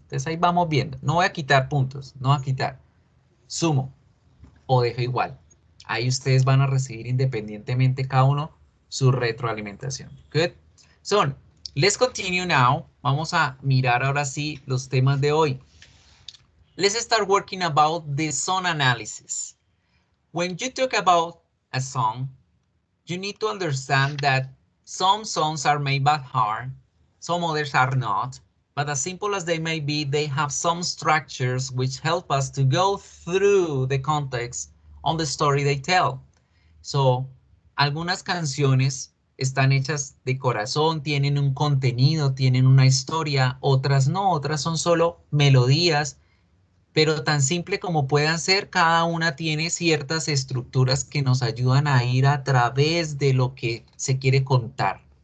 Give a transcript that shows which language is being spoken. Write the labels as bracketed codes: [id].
[es] Entonces ahí vamos viendo, no voy a quitar puntos, no voy a quitar, sumo o dejo igual. Ahí ustedes van a recibir independientemente cada uno su retroalimentación. Good. Son. [en] Let's continue now. [es] Vamos a mirar ahora sí los temas de hoy. [en] Let's start working about the song analysis. When you talk about a song, you need to understand that some songs are made by heart, some others are not. But as simple as they may be, they have some structures which help us to go through the context on the story they tell. [es] So, algunas canciones están hechas de corazón, tienen un contenido, tienen una historia, otras no, otras son solo melodías, pero tan simple como puedan ser, cada una tiene ciertas estructuras que nos ayudan a ir a través de lo que se quiere contar.